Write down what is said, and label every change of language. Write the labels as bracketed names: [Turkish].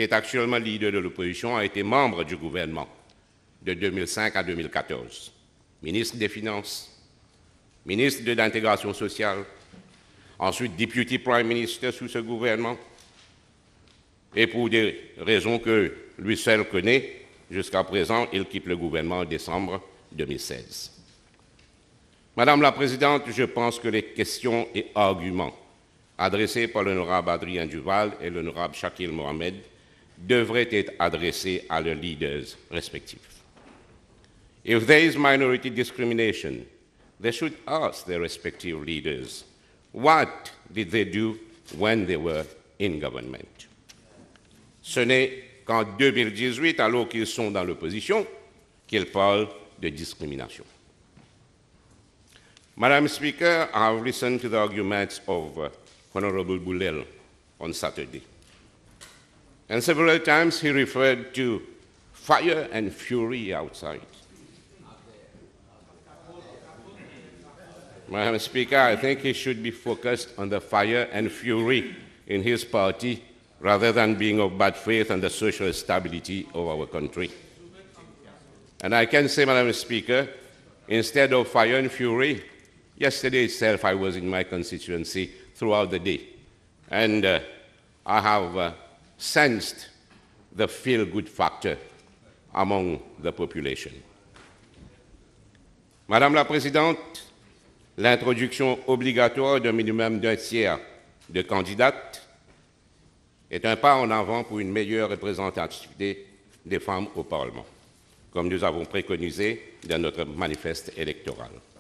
[French] qui est actuellement leader de l'opposition, a été membre du gouvernement de 2005 à 2014, ministre des Finances, ministre de l'Intégration sociale, ensuite député Prime Minister sous ce gouvernement, et pour des raisons que lui seul connaît, jusqu'à présent, il quitte le gouvernement en décembre 2016. Madame la Présidente, je pense que les questions et arguments adressés par l'honorable Adrien Duval et l'honorable Shakil Mohamed devraient être adressés à leurs leaders respectifs. [English] If there is minority discrimination, they should ask their respective leaders, what did they do when they were in government? [French] Ce n'est qu'en 2018, alors qu'ils sont dans l'opposition, qu'ils parlent de discrimination. [English] Madam Speaker, I have listened to the arguments of Honorable Boulel on Saturday. And several times he referred to fire and fury outside. Madam Speaker, I think he should be focused on the fire and fury in his party rather than being of bad faith on the social stability of our country. And I can say, Madam Speaker, instead of fire and fury, yesterday itself I was in my constituency throughout the day, and I have sensed the feel-good factor among the population. [French] Madame la Présidente, l'introduction obligatoire d'un minimum d'un tiers de candidates est un pas en avant pour une meilleure représentativité des femmes au Parlement, comme nous avons préconisé dans notre manifeste électoral.